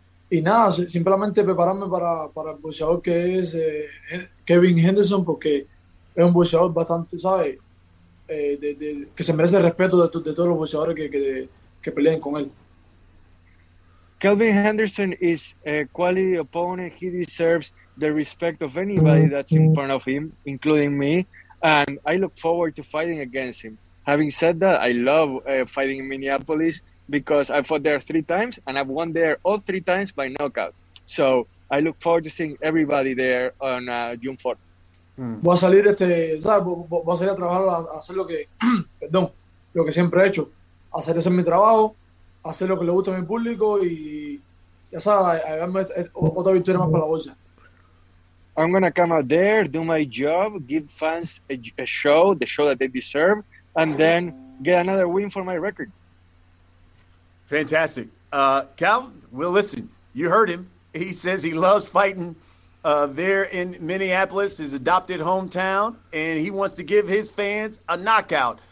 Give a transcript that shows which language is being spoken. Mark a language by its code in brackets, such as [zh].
[es] Y nada, simplemente prepararme para el boxeador que es Kevin Henderson, porque es un boxeador bastante, ¿sabes? Que se merece el respeto de todos los boxeadores que peleen con él. [en] Calvin Henderson is a quality opponent. He deserves the respect of anybody that's in front of him, including me. And I look forward to fighting against him. Having said that, I love fighting in Minneapolis because I fought there three times and I've won there all three times by knockout. So I look forward to seeing everybody there on June 4th. [es] Voy a salir voy a salir a trabajar a hacer lo que, perdón, lo que siempre he hecho, hacer ese mi trabajo. Hacer lo que le gusta a mi público y ya sabes, hay otra victoria más para la bolsa. [en] I'm going to come out there, do my job, give fans a show, the show that they deserve, and then get another win for my record. Fantastic. Calvin, well, listen, you heard him. He says he loves fighting there in Minneapolis, his adopted hometown, and he wants to give his fans a knockout.